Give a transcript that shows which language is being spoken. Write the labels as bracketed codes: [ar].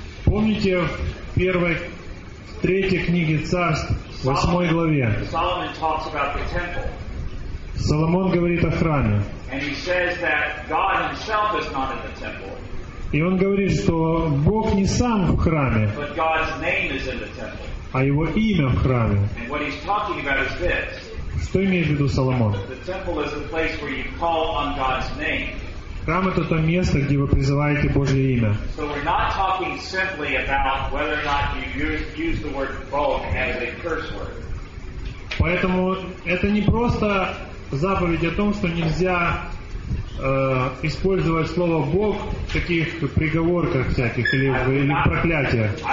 [ru] помните в первой, в третьей книге Царств, в 8 главе, [en] Solomon talks about the temple. [ru] Соломон говорит о храме. [en] And he says that God himself is not in the temple. [ru] И он говорит, что Бог не сам в храме, [en] but God's name is in the temple. [ru] А его имя в храме. [en] And what he's talking about is this. [ru] Что имеет в виду Соломон? [en] The temple is the place where you call on God's name. [ru] Храм – это то место, где вы призываете Божье имя. [en] So we're not talking simply about whether or not you use the word "bog" as a curse word. [ru] Поэтому это не просто заповедь о том, что нельзя использовать слово «Бог» в таких приговорках всяких или в проклятиях.